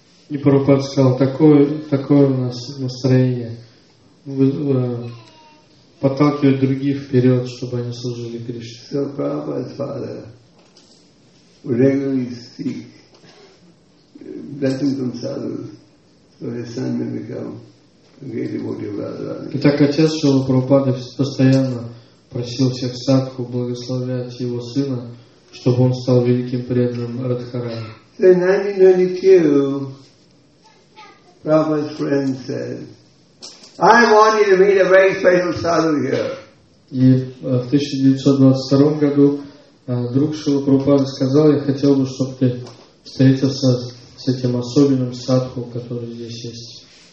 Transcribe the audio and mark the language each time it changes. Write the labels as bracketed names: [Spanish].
[Russian] И Прабхупада сказал, такое у нас настроение. Подталкивать других вперед, чтобы они служили Кришне. [English] So Prabhupada's father would regularly seek blessings from sadhus so his son may become a great devotee of Radharani. [Russian] Итак, отец Шрилы Прабхупады постоянно просил всех садху благословлять его сына, чтобы он стал великим преданным Радхарани. [English] So in 1992 Prabhupada's friend said, I want you to meet a very special sadhu here. [Russian] И в 1922 году друг Шрилы Прабхупады сказал, я хотел бы, чтобы ты встретился с этим особенным садху, который здесь есть.